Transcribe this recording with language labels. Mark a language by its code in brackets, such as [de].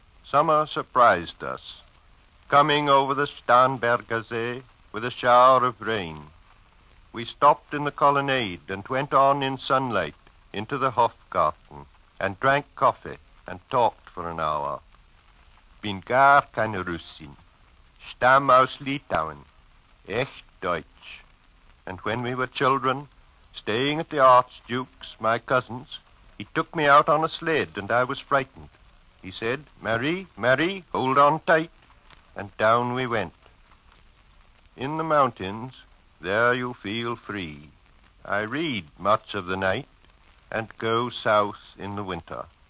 [en] Summer surprised us, coming over the Starnberger See with a shower of rain. We stopped in the colonnade and went on in sunlight into the Hofgarten and drank coffee and talked for an hour. [de] Bin gar keine Russin, stamm aus Litauen, echt Deutsch. [en] And when we were children, staying at the Archduke's, my cousin's, he took me out on a sled and I was frightened. He said, Marie, Marie, hold on tight. And down we went. In the mountains, there you feel free. I read much of the night and go south in the winter.